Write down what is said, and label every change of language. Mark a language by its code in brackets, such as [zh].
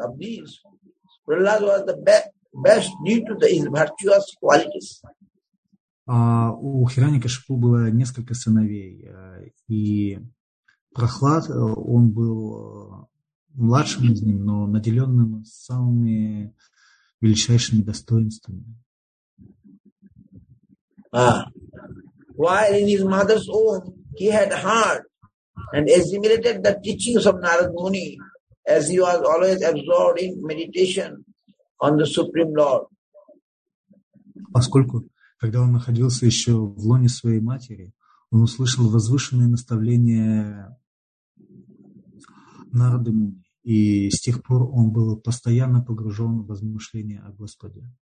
[en] Of these, Prahlad was the best due to his virtuous qualities. [ru] У Хиранякашипу было несколько сыновей, и Прохлад, он был младшим из них, но наделенным самыми величайшими достоинствами. [en] While in his mother's womb, he had heard and assimilated the teachings of Narad Muni, as he was always absorbed in meditation on the Supreme Lord. [ru] Поскольку, когда он находился еще в лоне своей матери, он услышал возвышенные наставления Нарады Муни, и с тех пор он был постоянно погружен в размышления о Господе.